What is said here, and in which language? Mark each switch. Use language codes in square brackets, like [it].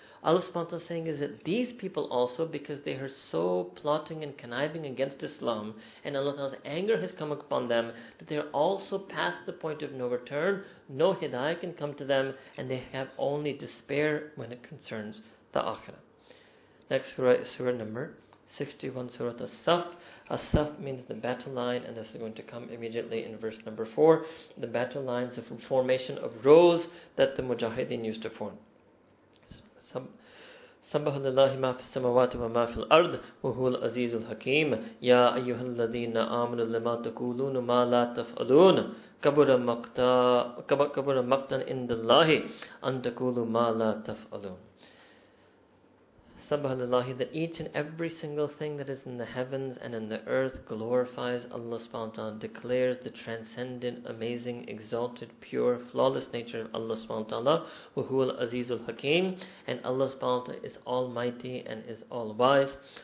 [en] Allah subhanahu wa ta'ala is saying is that these people also, because they are so plotting and conniving against Islam, and Allah Ta'ala's anger has come upon them, that they are also past the point of no return, no hidayah can come to them, and they have only despair when it concerns the akhirah. Next surah is surah number 61, surah As-Saff. As-Saff means the battle line, and this is going to come immediately in verse number 4. The battle lines of formation of rows that the mujahideen used to form. [ar] سبح لله ما في السماوات وما في الأرض وهو العزيز الحكيم يا أيها الذين آمنوا لما تقولون ما لا تفعلون كبر مقتا عند الله أن تقولوا ما لا تفعلون. [en] Subhanallah, that each and every single thing that is in the heavens and in the earth glorifies Allah subhanahu wa ta'ala, declares the transcendent, amazing, exalted, pure, flawless nature of Allah subhanahu wa ta'ala, [ar] wa huwa al-azizul hakeem, [en] and Allah subhanahu wa ta'ala is almighty and is all-wise.